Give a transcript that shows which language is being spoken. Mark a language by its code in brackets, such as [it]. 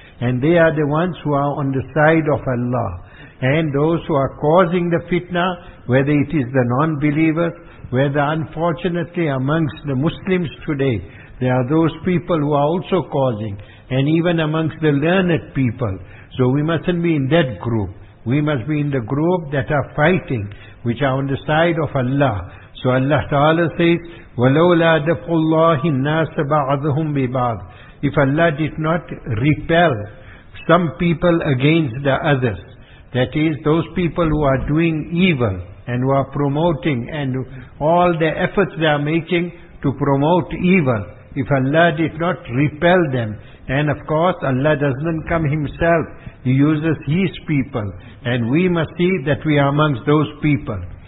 [en] And they are the ones who are on the side of Allah. And those who are causing the fitna, whether it is the non-believers, whether unfortunately amongst the Muslims today, there are those people who are also causing, and even amongst the learned people. So we mustn't be in that group. We must be in the group that are fighting, which are on the side of Allah. So Allah Ta'ala says, [ar] وَلَوْلَا دَفْعُ اللَّهِ النَّاسَ بَعْضُهُمْ بِبَعْضٍ. [en] If Allah did not repel some people against the others, that is, those people who are doing evil and who are promoting, and all the efforts they are making to promote evil, if Allah did not repel them, and of course Allah doesn't come Himself, He uses His people, and we must see that we are amongst those people.